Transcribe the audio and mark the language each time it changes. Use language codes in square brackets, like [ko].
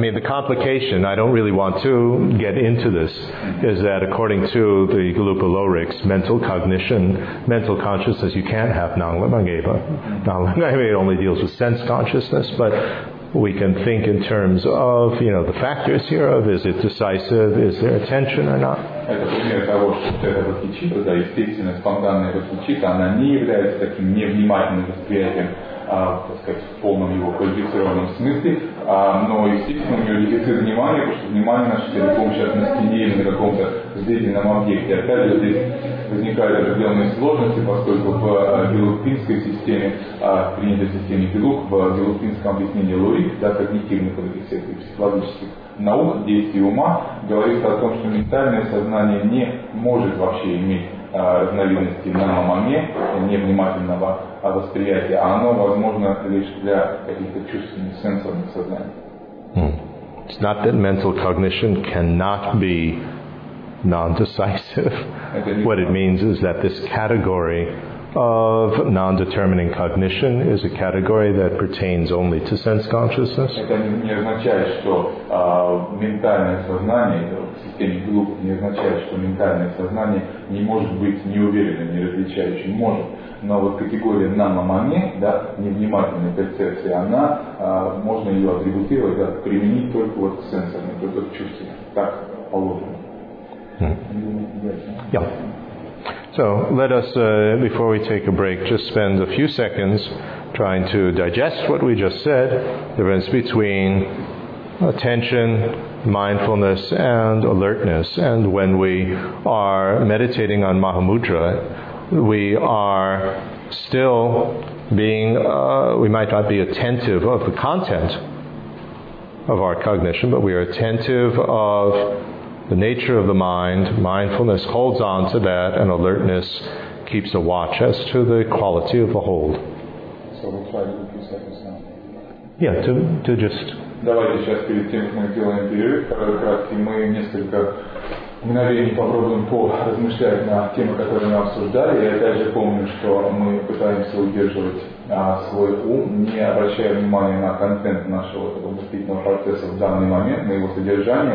[en] I mean, the complication, I don't really want to get into this, is that according to the Galupa Lorix, mental cognition, mental consciousness, you can't have nanglamangeba. Nanglamangeba only deals with sense consciousness, but we can think in terms of, you know, the factors here of, is it decisive, is there attention or not? [ru] Это пример того, что эта бодхичитта, да, естественно, спонтанная бодхичитта, она не является таким невнимательным восприятием, так сказать, в полном его квалифицированном смысле, но, естественно, у нее дефицит внимания, потому что внимание наше целиком сейчас на стене или на каком-то зрительном объекте. Опять же, здесь возникают определенные сложности, поскольку в гелупинской системе, принятой системе гелуп, в гелупинском объяснении лорик, да, когнитивных и психологических наук, действий ума, говорится о том, что ментальное сознание не может вообще иметь разновидности на маме, невнимательного восприятия, а оно возможно лишь для каких-то чувственных, сенсорных сознаний. [en] It's not that mental cognition cannot be non-decisive. What it means is that this category of non-determining cognition is a category that pertains only to sense consciousness. [ru] Это не означает, что ментальное сознание, в системе глуп, не означает, что ментальное сознание не может быть неуверенным, неразличающим, может. Но вот категория намамане, да, невнимательной перцепции, она, можно ее атрибутировать, да, применить только вот к сенсорам, только к чувствам, так положено. [en] So let us, before we take a break, just spend a few seconds trying to digest what we just said, the difference between attention, mindfulness, and alertness. And when we are meditating on Mahamudra, we are still being, we might not be attentive of the content of our cognition, but we are attentive of the nature of the mind. Mindfulness holds on to that, and alertness keeps a watch as to the quality of the hold. So we'll try to do a few seconds now. Yeah, to just... [ru] Давайте сейчас перед тем, как мы делаем перерыв, кратко, мы несколько мгновений попробуем поразмышлять на темы, которые мы обсуждали. Я опять же помню, что мы пытаемся удерживать свой ум, не обращая внимания на контент нашего воспитательного процесса в данный момент, на его содержание.